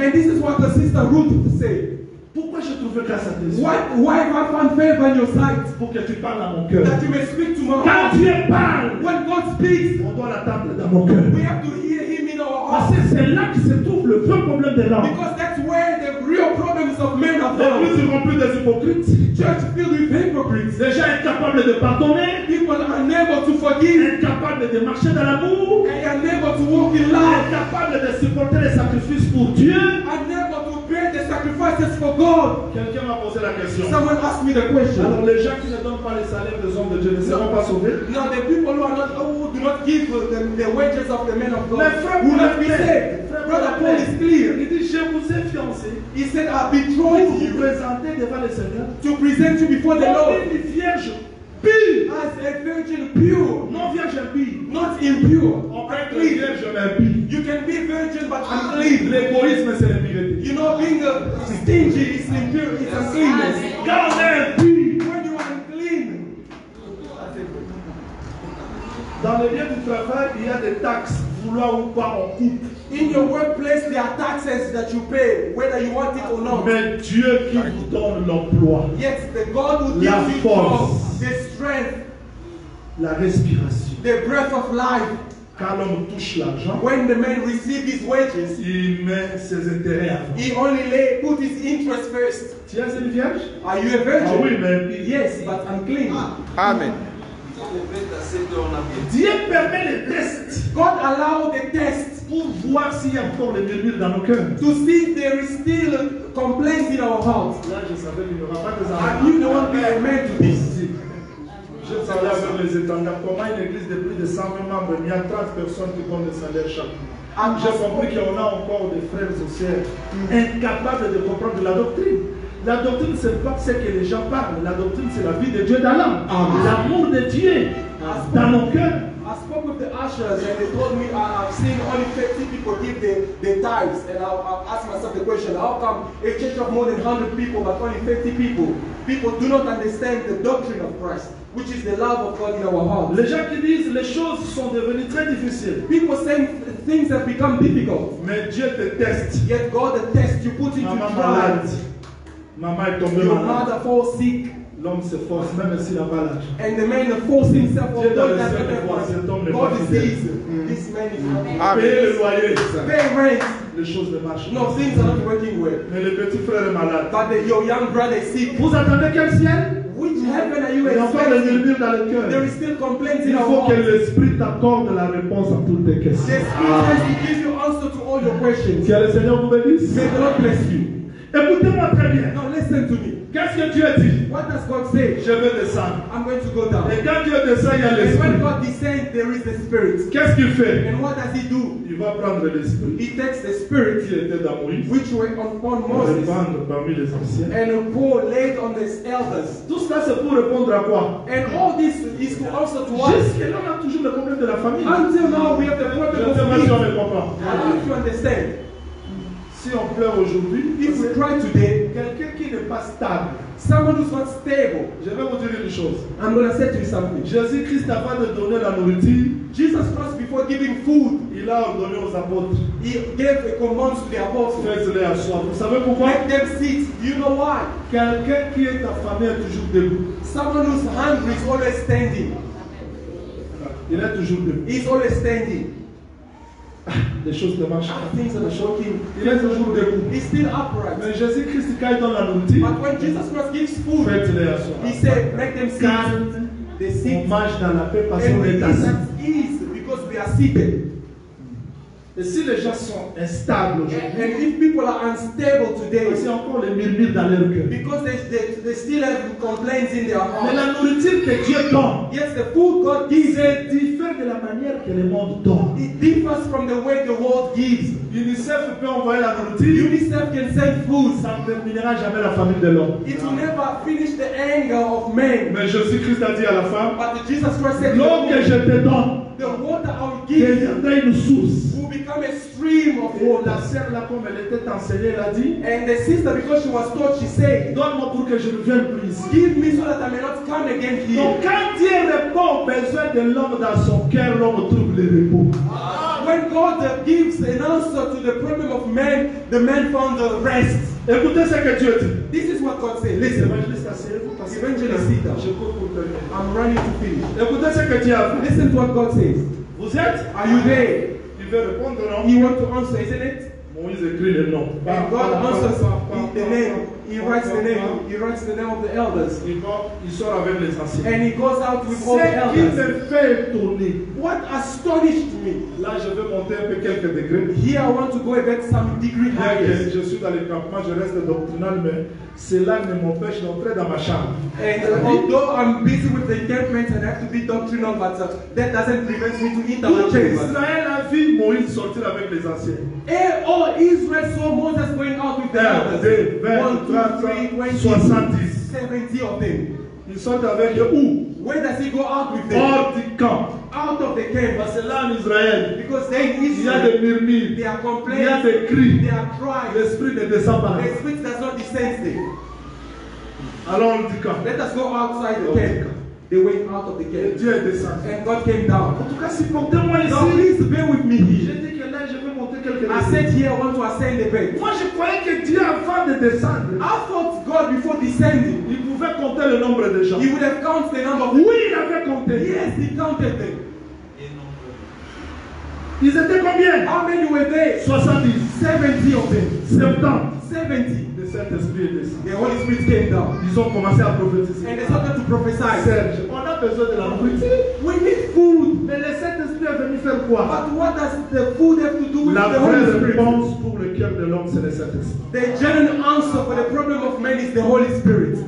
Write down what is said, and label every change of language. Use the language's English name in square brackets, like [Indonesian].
[English] And this is what the sister Ruth said. [French] Pourquoi je trouve grâce à tes yeux? [English] Why have I found favor in your sight? [French] Pour que tu parles à mon cœur. [English] That you may speak to my heart. [French] Quand Dieu parle, [English] when God speaks, [French] on doit l'attendre dans mon cœur. [English] We have to hear him in our hearts. [French] Parce que c'est là que se trouve le vrai problème de l'homme. [English] Because that's where the real problems of men are found. [French] L'église est remplie des hypocrites. [English] Church filled with hypocrites. [French] Les gens incapables de pardonner. [English] People unable to forgive. [French] Incapables de marcher dans l'amour. [English] And unable to walk in love. [French] Incapables de supporter les sacrifices pour Dieu. [English] Unable to bear the sacrifices for God. [French] Quelqu'un m'a posé la question. [English] Someone asked me the question. [French] Alors les gens qui ne donnent pas les salaires des hommes de Dieu ne seront pas sauvés. [English] Now the people who are not who do not give the wages of the men of God. [French] Mais frère, [English] will not be saved. Brother Paul is clear. [French] Il dit, je vous ai fiancé. [English] He said, I betrothed you. [French] Présenté devant le Seigneur. [English] To present you before the Lord. [French] Comme une vierge [English] pure. As a virgin pure. [French] Non vierge pure. [English] Not impure. [French] On peut être vierge mais pure. [English] You can be virgin but unclean. [French] L'égoïsme c'est l'impureté. [English] You know, being stingy is impure. It's uncleanness. God is pure. When you are unclean. [French] Dans le lieu du travail, il y a des taxes. Vouloir ou pas, on coupe. [English] In your workplace, there are taxes that you pay, whether you want it or not. [French] Mais Dieu qui vous donne l'emploi. [English] Yes, the God who [French] la [English] gives [French] force, [English] you job, the strength, [French] la respiration, [English] the breath of life. [French] Quand l'homme touche l'argent, [English] when the man receives his wages, [French] il met ses intérêts avant. [English] He only put his interest first. [French] Tu es une vierge? [English] Are you a virgin? [French] Ah oui, mais [English] yes, but unclean. Amen. [French] Dieu permet les tests. [English] God allow the tests [French] pour voir s'il y a encore le murmure dans nos cœurs. [English] To see if there is still complaints in our hearts. [French] Là, je savais qu'il n'y aura pas de ça. [English] I knew there won't be a man to this. [French] Je savais avec les étendards comment une église de plus de 120 membres, il y a 30 personnes qui donnent le salaire chaque mois. J'ai compris qu'on a encore des frères et sœurs incapables de comprendre la doctrine. La doctrine, ce n'est pas ce que les gens parlent. La doctrine, c'est la vie de Dieu dans l'âme. Amen. L'amour de Dieu dans nos cœurs. [English] I spoke with the ushers and they told me I've seen only 50 people give the tithes. And I asked myself the question, how come a church of more than 100 people, but only 50 people? People do not understand the doctrine of Christ, which is the love of God in our hearts. [French] Les gens qui disent, les choses sont devenues très difficiles. [English] People saying things have become difficult. [French] Mais Dieu te teste. [English] Yet God the test you put into trial. [French] Maman est tombée [English] your [French] malade. [English] Mother falls sick. [French] L'homme se force, même s'il a pas l'âge. [English] And the man forced himself on the other side. [French] Cet homme n'est pas fidèle. [English] This man is not paying [French] le loyer. [English] Pay rent. [French] Les choses ne marchent. [English] No, things are not working well. [French] Mais le petit frère est malade. [English] But your young brother is sick. [French] Vous attendez quel ciel? [English] Which heaven are you expecting? [French] Il y a encore le murmure dans le cœur. [English] There is still complaints in our hearts. [French] Il faut que l'esprit t'accorde la réponse à toutes tes questions. [English] The spirit has to give you answer to all your questions. [French] Que le Seigneur vous bénisse. [English] May the Lord bless you. [French] Écoutez-moi très bien. [English] Now listen to me. [French] Qu'est-ce que Dieu dit? [English] What does God say? [French] Je vais descendre. [English] I'm going to go down. [French] Et quand Dieu descend, il y a l'esprit. [English] And when God descends, there is the spirit. [French] Qu'est-ce qu'il fait? [English] And what does he do? [French] Il va prendre l'esprit. [English] He takes the spirit [French] qui était dans Moïse, [English] which went upon Moses. [French] Le répandre parmi les anciens. [English] And pour laid on the elders. [French] Tout cela c'est pour répondre à quoi? [English] And all this is to answer to what? [French] Jusqu'à là, on a toujours le problème de la famille. [English] Until now, we have the problem of family. [French] Je ne comprends pas. [English] I don't understand. [French] Si on pleure aujourd'hui, [English] if we cry today, [French] quelqu'un qui n'est pas stable, [English] someone who's not stable, [French] je vais vous dire une chose. [English] I'm going to say to you something. [French] Jésus-Christ avant de donner la nourriture, [English] Jesus Christ before giving food, [French] il a ordonné aux apôtres. [English] He gave a command to the apostles. [French] Faites-les asseoir. Vous savez pourquoi? [English] Make them sit. You know why? [French] Quelqu'un qui est affamé est toujours debout. [English] Someone who's hungry is always standing. [French] Il est toujours debout. [English] He's always standing. [French] Les choses ne marchent pas. [English] Things are shocking. [French] Il est toujours debout. [English] He's still upright. [French] Mais Jésus Christ quand il donne la nourriture. [English] But when Jesus Christ gives food, [French] faites-les à soi. [English] He said, make them sit. They sit. [French] On marche dans la paix parce qu'on est assis. [English] Because we are seated. [French] Et si les gens sont instables aujourd'hui? [English] And if people are unstable today? [French] Parce qu'il y a encore les murmures dans leur cœur. [English] Because they still have complaints in their heart. [French] Mais la nourriture que Dieu donne. [English] Yes, the food God gives. [French] C'est différent de la manière que le monde donne. [English] It differs from the way the world gives. [French] UNICEF peut envoyer la nourriture. [English] UNICEF can send food. [French] Ça ne terminera jamais la famine de l'homme. [English] It will never finish the anger of men. [French] Mais Jésus-Christ a dit à la femme. [English] But Jesus Christ said, [French] l'eau que je te donne. [English] The water I will give. [French] Deviendra une source. [English] Become a stream of water. [French] La sœur là comme elle était enseignée, elle a dit. [English] And the sister, because she was taught, she said, [French] donne-moi pour que je ne vienne plus. [English] Give me so that I may not come again here. [French] Donc quand Dieu répond au besoin de l'homme dans son cœur, l'homme trouve le repos. [English] When God gives an answer to the problem of man, the man found the rest. [French] Écoutez ce que Dieu dit. [English] This is what God said. Listen, [French] evangelist, assieds-vous. [English] Evangelist, sit down. [French] Je cours pour terminer. [English] I'm running to finish. [French] Écoutez ce que Dieu a fait. [English] Listen to what God says. [French] Vous êtes? [English] Are you there? [French] Répondre, [English] he wants to answer, isn't it? [French] Moïse écrit le nom. [English] And God answers the name. He writes the name. He writes the name of the elders. [French] Il sort avec les anciens. [English] And he goes out with all the elders. [French] C'est qui fait tourner. [English] What astonished me? [French] Là, je vais monter un peu quelques degrés. [English] Here, I want to go a bit some degree higher. [French] Bien que je suis dans le campement, je reste doctrinal, mais cela ne m'empêche d'entrer dans ma chambre. [English] And although I'm busy with the encampment and I have to be doctrinal, but that doesn't prevent me to eat our chambre. [French] Israël a vu Moïse sortir avec les anciens. [English] All Israel saw Moses going out with the elders. 1, 2, 3, 20, 70 of them. [French] Il sort avec où? [English] Where does he go out with them? [French] Hors du camp. [English] Out of the camp. [French] Parce que là en Israël, [English] because they in Israel, [French] il y a des murmures, [English] they are complaining, [French] il y a des cris, [English] they are crying. [French] L'esprit ne descend pas. [English] The spirit does not descend there. [French] Alors hors du camp. [English] Let us go outside the camp. They went out of the camp. [French] Et Dieu est descendu. [English] And God came down. [French] En tout cas, supportez-moi ici. [English] Now please bear with me. I said here I want to ascend the bed. [French] Moi je croyais que Dieu avant de descendre. [English] I thought God before descending. [French] Il pouvait compter le nombre de gens. [English] He would have counted the number. [French] Oui, il avait compté. [English] Yes, he counted them. [French] Ils étaient combien? [English] How many were there? 70. 70 of them. 70. 70. [French] Le Saint-Esprit est descendu. [English] The Holy Spirit came down. [French] Ils ont commencé à prophétiser. [English] And they started to prophesy. [French] Serge, on a besoin de la nourriture. [English] We need food. [French] Mais le Saint-Esprit est venu faire quoi? [English] But what does the food have to do with [French] la [English] the Holy Spirit? [French] La vraie réponse pour le cœur de l'homme, c'est le Saint-Esprit. [English] The genuine answer for the problem of man is the Holy Spirit.